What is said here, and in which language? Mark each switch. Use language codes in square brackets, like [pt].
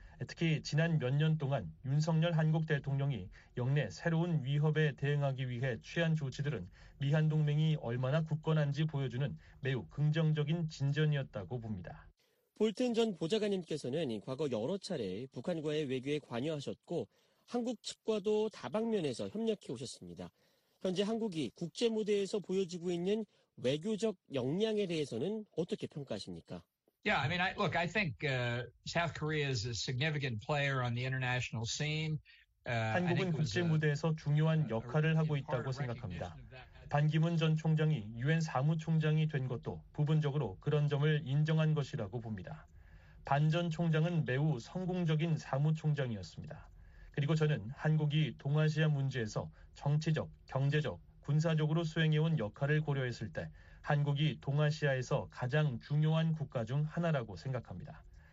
[ko] 특히 지난 몇 년 동안 윤석열 한국 대통령이 역내 새로운 위협에 대응하기 위해 취한 조치들은 미한 동맹이 얼마나 굳건한지 보여주는 매우 긍정적인 진전이었다고 봅니다. 볼튼 전 보좌관님께서는 과거 여러 차례 북한과의 외교에 관여하셨고 한국 측과도 다방면에서 협력해 오셨습니다. 현재 한국이 국제무대에서 보여주고 있는 외교적 역량에 대해서는 어떻게 평가하십니까? [en] Yeah, I mean, I think South Korea is a significant player on the international scene. [ko] 한국은 국제무대에서 중요한 역할을 하고 있다고 생각합니다. 반기문 전 총장이 유엔 사무총장이 된 것도 부분적으로 그런 점을 인정한 것이라고 봅니다. 반 전 총장은 매우 성공적인 사무총장이었습니다. 그리고 저는 한국이 동아시아 문제에서 정치적, 경제적, 군사적으로 수행해온 역할을 고려했을 때 한국이 동아시아에서 가장 중요한 국가 중 하나라고 생각합니다.